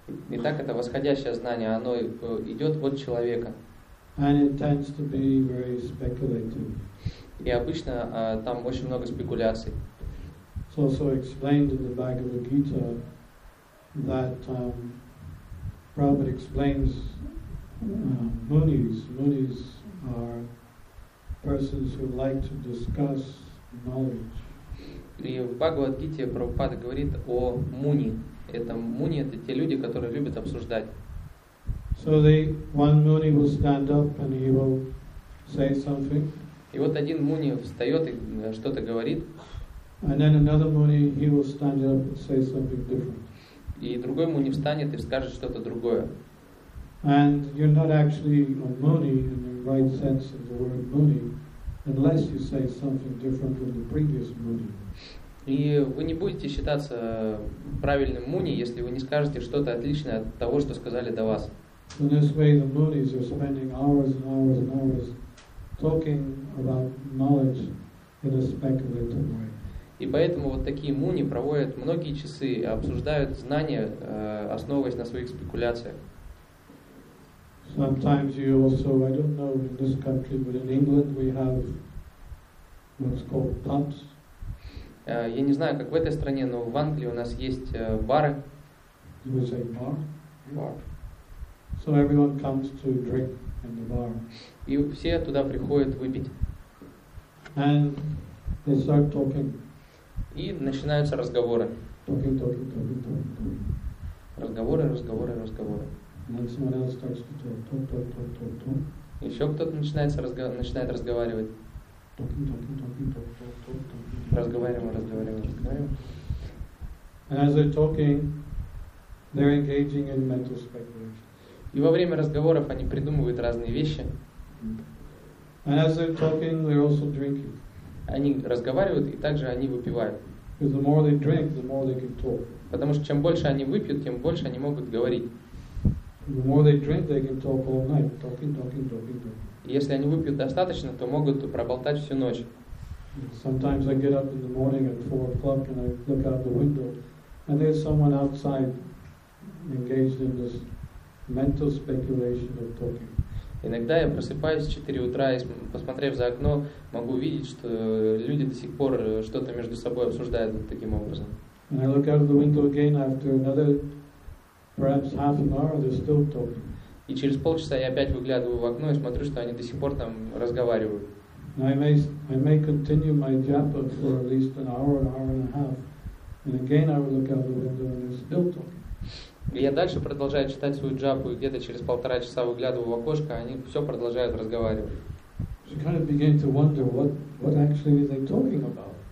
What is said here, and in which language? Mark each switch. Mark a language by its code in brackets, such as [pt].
[ru] Итак, это восходящее знание, оно идет от человека. И обычно там очень много спекуляций. [en] It's also explained in the Bhagavad Gita that Prabhupada explains munis. Munis are persons who like to discuss knowledge. [ru] И в Бхагавад Гите Прабхупада говорит о муни. Это муни, это те люди, которые любят обсуждать. [en] So the one muni will stand up and he will say something. [ru] И вот один муни встает и что-то говорит. [en] And then another muni, he will stand up and say something different. [ru] И другой муни встанет и скажет что-то другое. [en] And you're not actually a muni in the right sense of the word muni, unless you say something different from the previous muni. [ru] И вы не будете считаться правильным муни, если вы не скажете что-то отличное от того, что сказали до вас. [en] In this way, the munis are spending hours and hours and hours talking about knowledge in a speculative way. [ru] И поэтому вот такие муни проводят многие часы и обсуждают знания, основываясь на своих спекуляциях. [en] Sometimes you also, I don't know in this country, but in England we have what's called pubs. [ru] Я не знаю, как в этой стране, но в Англии у нас есть бары. [en] You would say bar? Bar. So everyone comes to drink in the bar. [ru] И все туда приходят выпить. [en] And they start talking. [ru] И начинаются разговоры. [en] Talking, talking, talking, talking, talking. [ru] Разговоры, разговоры, разговоры. [en] And someone else starts to talk, talk, talk, talk, talk, talk. [ru] Еще кто-то начинает разговаривать. [en] Talking, talking, talking, talk, talk, talk, talk, talk. [ru] Разговариваем, разговариваем, разговариваем. [en] And as they're talking, they're engaging in mental speculation. [ru] И во время разговоров они придумывают разные вещи. [en] And as they're talking, they're also drinking. [ru] Они разговаривают и также они выпивают. [en] The more they drink, the more they can talk. [ru] Потому что чем больше они выпьют, тем больше они могут говорить. [en] The more they drink, they can talk all night, talking, talking, talking, talking. [ru] Если они выпьют достаточно, то могут проболтать всю ночь. [en] Sometimes I get up in the morning at 4 o'clock and I look out the window and there's someone outside engaged in this mental speculation of talking. [ru] Иногда я просыпаюсь в 4 утра и, посмотрев за окно, могу видеть, что люди до сих пор что-то между собой обсуждают вот таким образом. [en] And I look out of the window again after another, perhaps half an hour, they're still talking. [ru] И через полчаса я опять выглядываю в окно и смотрю, что они до сих пор там разговаривают. [en] Now I may continue my japa for at least an hour and a half, and again I will look out the window and they're still talking. [ru] И я дальше продолжаю читать свою джапу и где-то через полтора часа выглядываю в окошко, они все продолжают разговаривать. [en] You kind of begin to wonder what actually are they talking about.